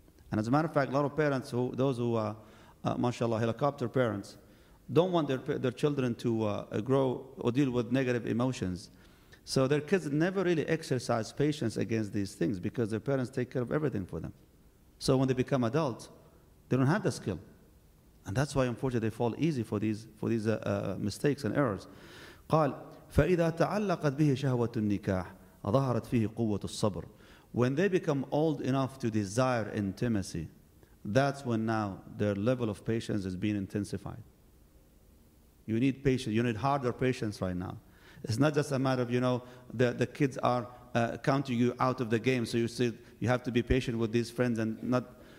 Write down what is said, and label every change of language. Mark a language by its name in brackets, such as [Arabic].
[English] And as a matter of fact, a lot of parents, mashallah, helicopter parents, don't want their children to grow or deal with negative emotions. So their kids never really exercise patience against these things because their parents take care of everything for them. So when they become adults, they don't have the skill. And that's why, unfortunately, they fall easy for these mistakes and errors. [Arabic] قال فإذا تعلقت به شهوة النكاح ظهرت فيه قوة الصبر. [English] When they become old enough to desire intimacy, that's when now their level of patience is being intensified. You need patience. You need harder patience right now. It's not just a matter of, you know, the kids are counting you out of the game, so you see you have to be patient with these friends and not.